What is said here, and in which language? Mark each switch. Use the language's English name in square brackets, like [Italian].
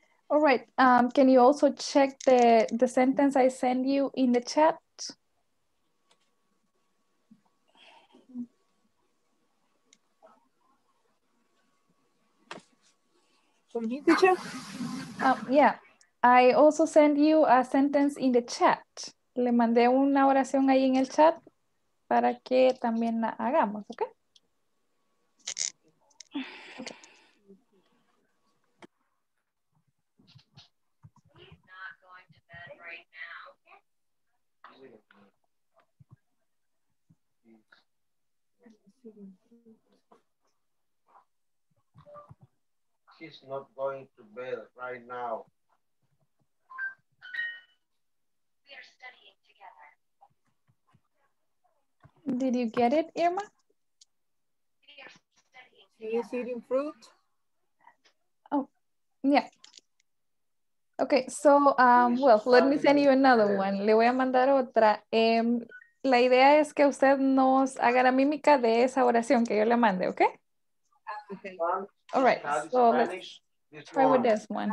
[English] All right, can you also check the sentence I send you in the chat? From you, teacher? Yeah, I also send you a sentence in the chat. [Spanish] Le mandé una oración ahí en el chat para que también la hagamos, okay? [English] She's not going to bed right now. We are studying together. Did you get it, Irma? We are studying together. Is she eating fruit? Oh, yeah. Okay, so, well, let me send you another one. [Spanish] Le voy a mandar otra. La idea es que usted nos haga la mímica de esa oración que yo le mande, ¿ok? [English] Okay. All right, so let's try with this one.